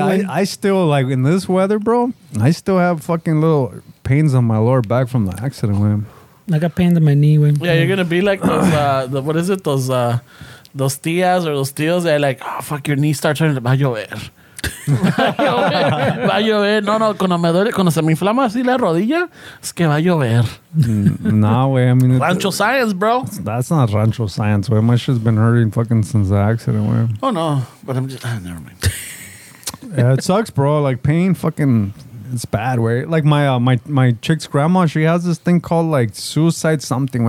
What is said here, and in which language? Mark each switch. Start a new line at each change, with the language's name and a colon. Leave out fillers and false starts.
English: I still, like, in this weather, bro, I still have fucking little pains on my lower back from the accident, man. I got pains in my knee, man. Yeah, you're going to be like those, what is it? Those tías or those tíos that are like, oh, fuck, your knee starts turning to llover.
Spanish: Va a llover. No, no, cuando me duele, cuando se me inflama así la rodilla, es que va a llover.
English: No, güey, I mean, Rancho Science, bro. That's not Rancho Science, güey. My shit's been hurting fucking since the accident, güey. Oh, no, but I'm just, never mind. Yeah, it sucks, bro. Like, pain fucking, it's bad, güey. Like, my chick's grandma, she has this thing called, like, suicide something.